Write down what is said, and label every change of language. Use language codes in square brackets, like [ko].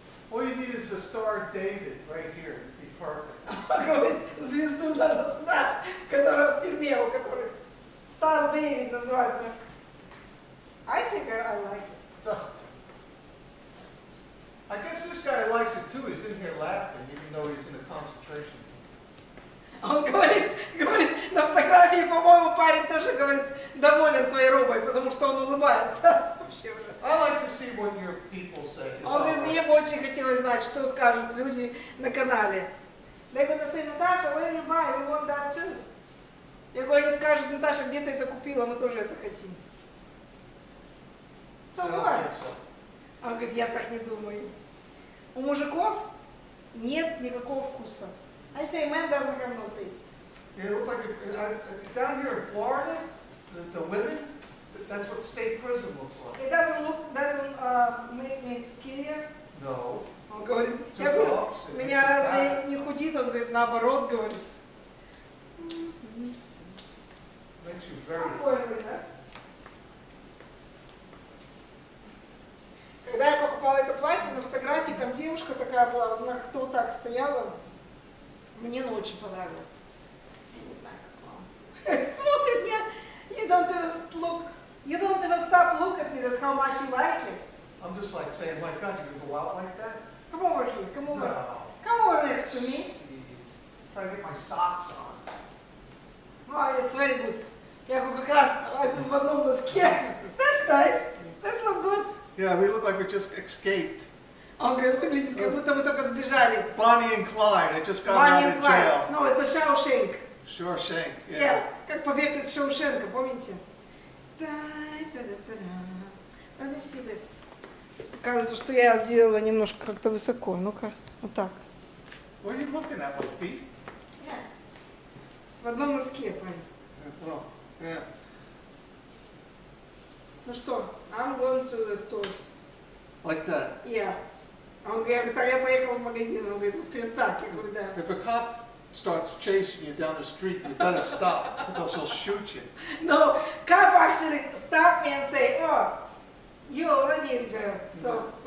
[en] All you need is the star David right here to be perfect. [ru] Говорит, звезду надо сюда, которая в тюрьме, у которой Star David называется. [en] I think I like it. I guess this guy likes it too. He's in here laughing, even though he's in a concentration. [ru] Он говорит, на фотографии, по-моему, парень тоже говорит, доволен своей робой, потому что он улыбается вообще уже. [en] I like to see what your people say. [ru] Он говорит, мне бы очень хотелось знать, что скажут люди на канале. [en] They're gonna say, Natasha, where you buy? We want that too. [ru] Я говорю, они скажут, Наташа, где ты это купила? Мы тоже это хотим. [en] So what? [ru] Он говорит, я так не думаю. У мужиков нет никакого вкуса. [en] I say, man doesn't have no taste. Yeah, it looks like down here in Florida, the women, that's what state prison looks like. It doesn't make me skinnier. No. [ru] Он говорит, [en] just the opposite. [ru] Меня разве не худит? Он говорит, наоборот, говорит. [en] Makes you very. [ru] Когда я покупала это платье, на фотографии там девушка такая была, она как-то вот так стояла. Мне оно очень понравилось. Я не знаю, как вам. Смотри, мне. [en] You don't even stop look at me, that's how much you like it. I'm just like saying, my God, you go out like that? Come over, Julie, come over. No. Come over next to me. Jeez. I'm trying to get my socks on. Oh, it's very good. [ru] Я как раз в одном носке. [en] That's nice. That's not good. Yeah, we look like we just escaped. [ru] Он говорит, выглядит, как будто мы только сбежали. [en] Bonnie and Clyde, I just got out of jail. [ru] No, это Шоушенк. [en] Шоушенк, yeah. [ru] Yeah, как побег из Шоушенка, помните? [en] Let me see this. [ru] Кажется, что я сделала немножко как-то высоко. Ну-ка, вот так. [en] What are you looking at, little feet? [ru] Yeah. В одном носке, парень. [en] Yeah. [ru] Ну что, [en] I'm going to the stores. Like that? Yeah. [ru] Он говорит, так я поехал в магазин. Он говорит, вот прям так. Я говорю, да. [en] If a cop starts chasing you down the street, you better stop, because he'll shoot you. No, cop actually stopped me and say, oh, you already in jail, so mm-hmm.